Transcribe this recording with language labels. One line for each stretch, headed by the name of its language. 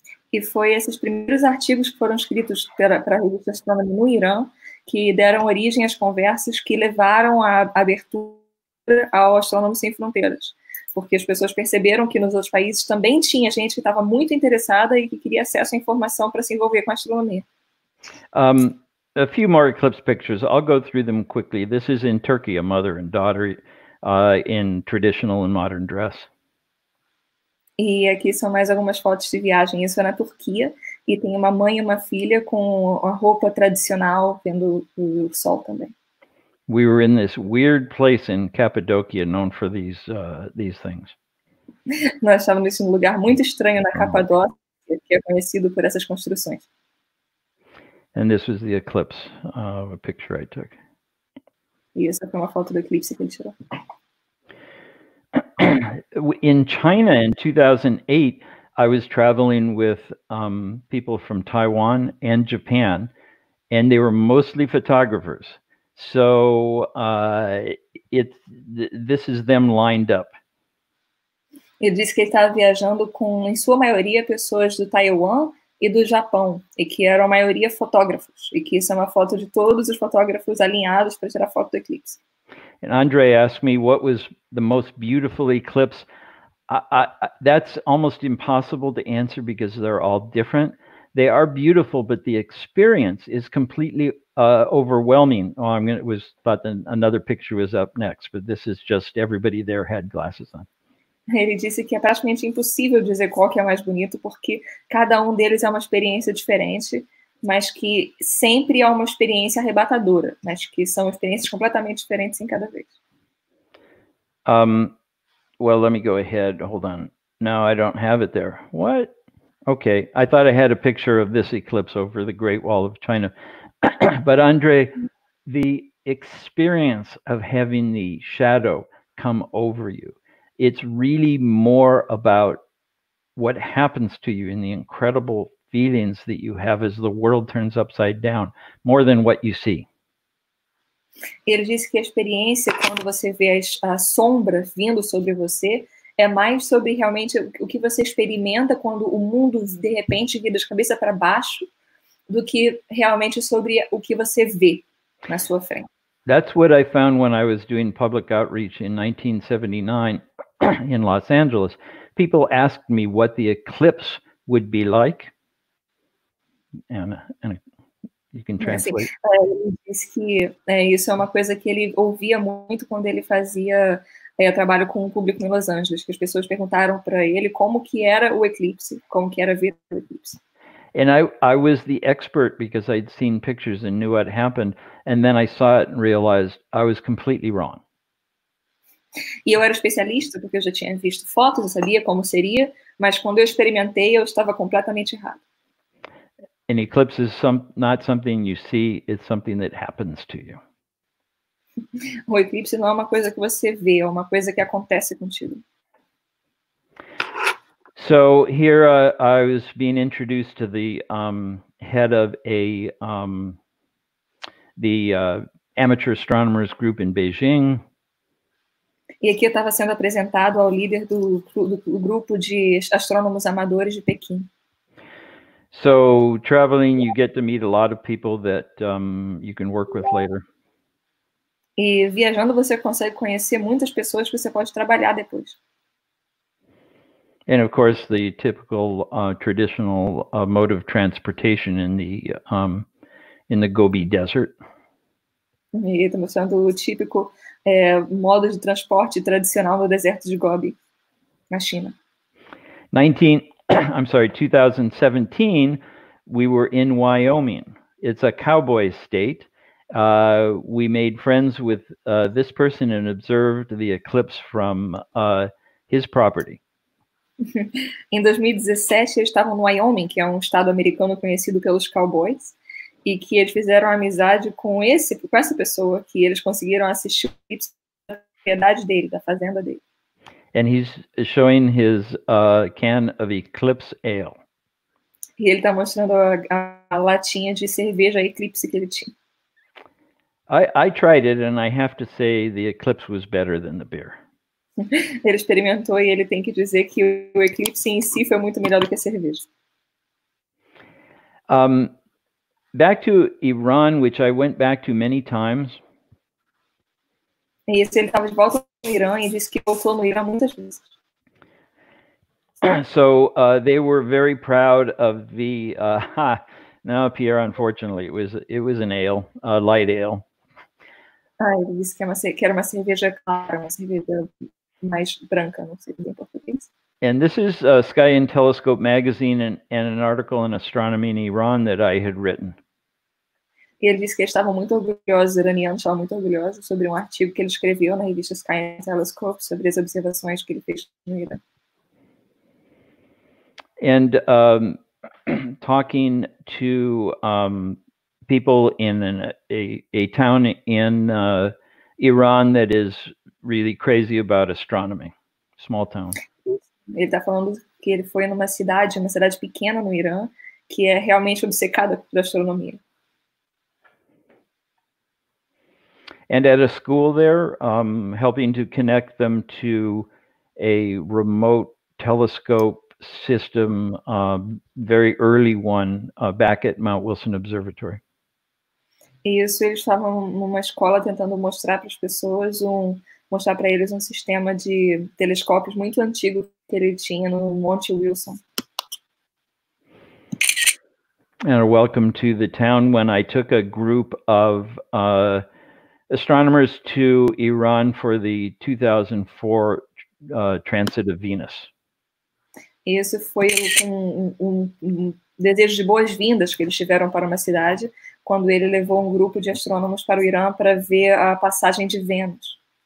Portuguese: E foi esses primeiros artigos que foram escritos para a revista Astronomia no Irã que deram origem às conversas que levaram à abertura ao Astrônomo Sem Fronteiras. Porque as pessoas perceberam que nos outros países também tinha gente que estava muito interessada e que queria acesso à informação para se envolver com a astronomia.
English: A few more eclipse pictures. I'll go through them quickly. This is in Turkey, a mother and daughter in traditional and modern dress.
Portuguese: E aqui são mais algumas fotos de viagem. Isso é na Turquia e tem uma mãe e uma filha com a roupa tradicional vendo o sol também.
English: We were in this weird place in Cappadocia, known for these things.
Portuguese: Nós estávamos em um lugar muito estranho na Capadócia, que é conhecido por essas construções.
English: And this was the eclipse, a picture I took.
Portuguese: E essa foi uma foto do eclipse que ele tirou.
English: In China in 2008, I was traveling with people from Taiwan and Japan, and they were mostly photographers. So this is them lined up.
Portuguese: Ele disse que ele estava viajando com, em sua maioria, pessoas do Taiwan e do Japão, e que eram a maioria fotógrafos, e que isso é uma foto de todos os fotógrafos alinhados para tirar foto do eclipse.
English: And Andre asked me what was the most beautiful eclipse. That's almost impossible to answer because they're all different. They are beautiful, but the experience is completely overwhelming. Oh, another picture was up next, but this is just everybody there had glasses on.
Portuguese: Ele disse que é praticamente impossível dizer qual que é mais bonito porque cada deles é uma experiência diferente. Mas que sempre é uma experiência arrebatadora, mas que são experiências completamente diferentes em cada vez.
English: Well, let me go ahead. Hold on. No, I don't have it there. What? Okay. I thought I had a picture of this eclipse over the Great Wall of China. But Andre, the experience of having the shadow come over you, it's really more about what happens to you in the incredible feelings that you have as the world turns upside down, more than what you see.
Portuguese: Ele disse que a experiência quando você vê a sombra vindo sobre você é mais sobre realmente o que você experimenta quando o mundo de repente vira de cabeça para baixo do que realmente sobre o que você vê na sua frente.
English: That's what I found when I was doing public outreach in 1979 in Los Angeles. People asked me what the eclipse would be like. And you can translate.
Portuguese: Ele disse que isso é uma coisa que ele ouvia muito quando ele fazia trabalho com o público em Los Angeles, que as pessoas perguntaram para ele como que era o eclipse, como que era ver o eclipse.
English: And I was the expert because I'd seen pictures and knew what happened, and then I saw it and realized I was completely wrong.
Portuguese: E eu era especialista porque eu já tinha visto fotos, eu sabia como seria, mas quando eu experimentei, eu estava completamente errado.
English: An eclipse is not something you see, it's something that happens to you.
Portuguese: O eclipse não é uma coisa que você vê, é uma coisa que acontece contigo.
English: So here I was being introduced to the head of the amateur astronomers group in Beijing.
Portuguese: E aqui eu estava sendo apresentado ao líder do grupo de astrônomos amadores de Pequim.
English: So traveling, you get to meet a lot of people that you can work with later.
Portuguese: E viajando, você consegue conhecer muitas pessoas que você pode trabalhar depois.
English: And of course, the typical traditional mode of transportation in the Gobi Desert.
Portuguese: E está mostrando o típico modo de transporte tradicional no deserto de Gobi, na China.
English: 2017, we were in Wyoming. It's a cowboy state. We made friends with this person and observed the eclipse from his property.
Portuguese: Em 2017, eles estavam no Wyoming, que é um estado americano conhecido pelos cowboys, e que eles fizeram amizade com essa pessoa, que eles conseguiram assistir o eclipse da propriedade dele, da fazenda dele.
English: And he's showing his can of eclipse ale.
Portuguese: E ele está mostrando a latinha de cerveja eclipse que ele tinha.
English: I tried it, and I have to say the eclipse was better than the beer.
Portuguese: Ele experimentou e ele tem que dizer que o eclipse em si foi muito melhor do que a cerveja.
English: Back to Iran, which I went back to many times.
Portuguese: E esse, ele estava de volta no Irã e disse que voltou no Irã muitas vezes.
English: So they were very proud of the. No, Pierre, unfortunately, it was an ale, a light ale.
Portuguese: Ah, ele disse que era uma cerveja clara, uma cerveja mais branca, não sei em português.
English: And this is Sky and Telescope magazine and an article in Astronomia in Iran that I had written.
Portuguese: E ele disse que eles estavam muito orgulhosos, os iranianos estavam muito orgulhosos sobre um artigo que ele escreveu na revista Sky and Telescope sobre as observações que ele fez no Irã.
English: And talking to people in a town in Iran that is really crazy about astronomy, small town.
Portuguese: Ele está falando que ele foi numa cidade, uma cidade pequena no Irã, que é realmente obcecada por astronomia.
English: And at a school there, helping to connect them to a remote telescope system, very early one, back at Mount Wilson Observatory.
Portuguese: Isso, eles estavam numa escola tentando mostrar para as pessoas mostrar para eles um sistema de telescópios muito antigo que ele tinha no Monte Wilson.
English: And welcome to the town when I took a group of astronomers to Iran for the 2004 transit of Venus.
Portuguese: Esse foi um desejo de boas-vindas que eles tiveram para uma cidade quando ele levou um grupo de astrônomos para o Irã para ver a passagem de Vênus.